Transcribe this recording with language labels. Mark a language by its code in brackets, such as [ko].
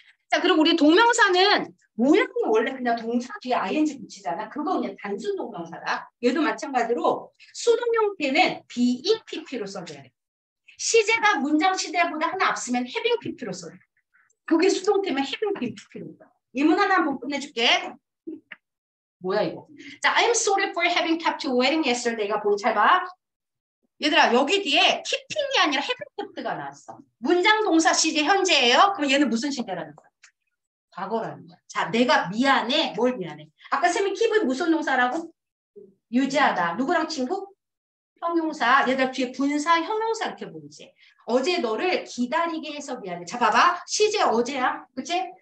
[ko] 자, 그리고 우리 동명사는 모양이 원래 그냥 동사 뒤에 ing 붙이잖아. 그거 그냥 단순 동명사다. 얘도 마찬가지로 수동 형태는 being pp로 써줘야 돼. 시제가 문장 시제보다 하나 앞서면 having pp로 써야 돼. 그게 수동태면 having been pp로 써. 예문 하나 한번 끝내줄게. 뭐야 이거. [en] 자, I'm sorry for having kept you waiting yesterday [ko] 가 보고 잘 봐. 얘들아 여기 뒤에 keeping이 아니라 having kept가 나왔어. 문장 동사 시제 현재예요. 그럼 얘는 무슨 시제라는 거야? 과거라는 거야. 자, 내가 미안해. 뭘 미안해? 아까 쌤이 keep은 무슨 동사라고? 유지하다. 누구랑 친구? 형용사. 얘들 뒤에 분사, 형용사 이렇게 보이지. 어제 너를 기다리게 해서 미안해. 자, 봐봐. 시제 어제야. 그치?